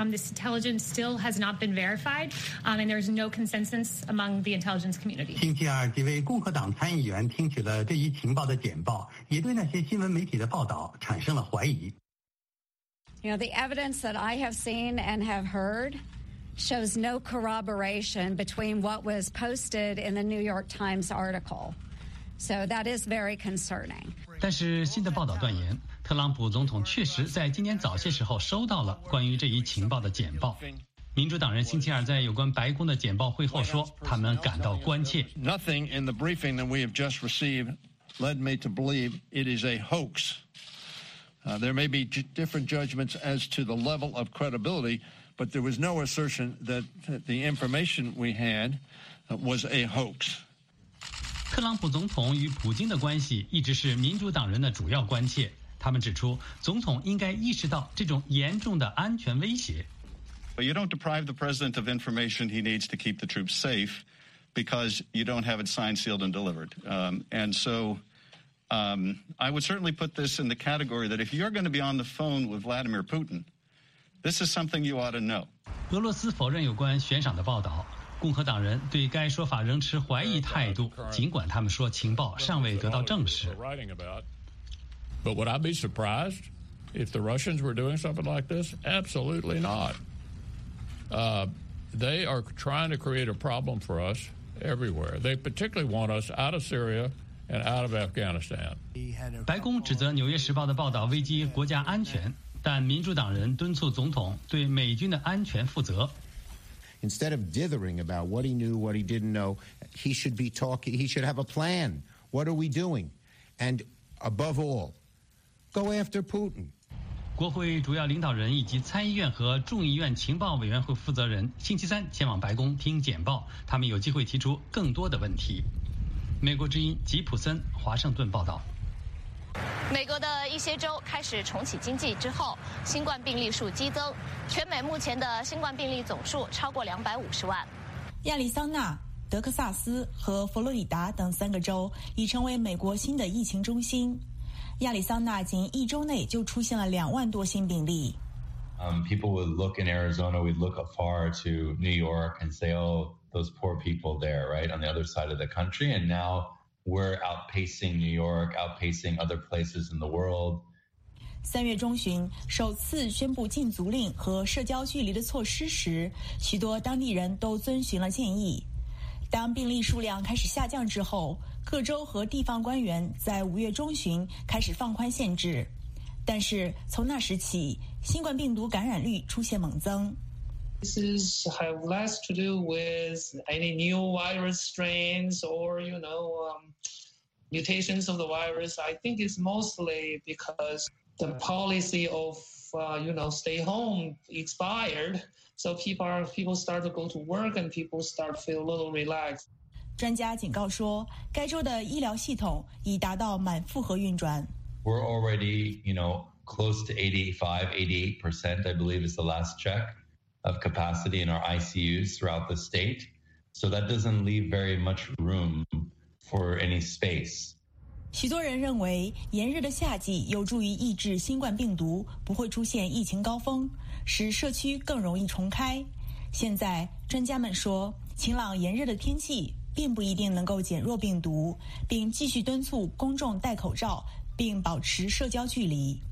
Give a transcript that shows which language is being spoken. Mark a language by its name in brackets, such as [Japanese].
[English] This intelligence still has not been verified, and there's no consensus among the intelligence community. [Chinese] 星期二，几位共和党参议员听取了这一情报的简报，也对那些新闻媒体的报道产生了怀疑。 [English] You know, the evidence that I have seen and have heard shows no corroboration between what was posted in the New York Times article. So that is very concerning. [Chinese] 但是新的报道断言，特朗普总统确实在今天早些时候收到了关于这一情报的简报。民主党人星期二在有关白宫的简报会后说，他们感到关切。 [English] Nothing in the briefing that we have just received led me to believe it is a hoax. There may be different judgments as to the level of credibility, but there was no assertion that the information we had was a hoax. [Chinese] 特朗普总统与普京的关系一直是民主党人的主要关切。他们指出，总统应该意识到这种严重的安全威胁。 [English] But you don't deprive the president of information he needs to keep the troops safe because you don't have it signed, sealed, and delivered. I would certainly put this in the category that if you're going to be on the phone with Vladimir Putin, this is something you ought to know. [Chinese] 俄罗斯否认有关悬赏的报道。共和党人对该说法仍持怀疑态度，尽管他们说情报尚未得到证实。 [English] But would I be surprised if the Russians were doing something like this? Absolutely not. They are trying to create a problem for us everywhere. They particularly want us out of Syria and out of Afghanistan. [Chinese] 白宫指责《纽约时报》的报道危及国家安全，但民主党人敦促总统对美军的安全负责。 [English] Instead of dithering about what he knew, what he didn't know, he should be talking, he should have a plan. What are we doing? And above all, go after Putin. [Chinese] 国会主要领导人以及参议院和众议院情报委员会负责人星期三前往白宫听简报，他们有机会提出更多的问题。美国之音吉普森华盛顿报道。美国的一些州开始重启经济之后，新冠病例数激增，全美目前的新冠病例总数超过250万。亚利桑那、德克萨斯和佛罗里达等三个州已成为美国新的疫情中心。亚利桑那仅一周内就出现了20,000多新病例。 [English] People would look in Arizona, we'd look afar to New York and say, oh, those poor people there, right, on the other side of the country, and now. We're outpacing New York, outpacing other places in the world. [Chinese] 三月中旬，首次宣布禁足令和社交距离的措施时，许多当地人都遵循了建议。当病例数量开始下降之后，各州和地方官员在五月中旬开始放宽限制。但是从那时起，新冠病毒感染率出现猛增。 [English] This is have less to do with any new virus strains or, you know, mutations of the virus. I think it's mostly because the policy of, you know, stay home expired. So people start to go to work and people start to feel a little relaxed. [Chinese] 专家警告说，该州的医疗系统已达到满负荷运转。 [English] We're already, you know, close to 85-88%, I believe is the last check. Of capacity in our ICUs throughout the state, so that doesn't leave very much room for any space. [Chinese] 许多人认为炎热的夏季有助于抑制新冠病毒，不会出现疫情高峰，使社区更容易重开。现在专家们说，晴朗炎热的天气并不一定能够减弱病毒，并继续敦促公众戴口罩并保持社交距离。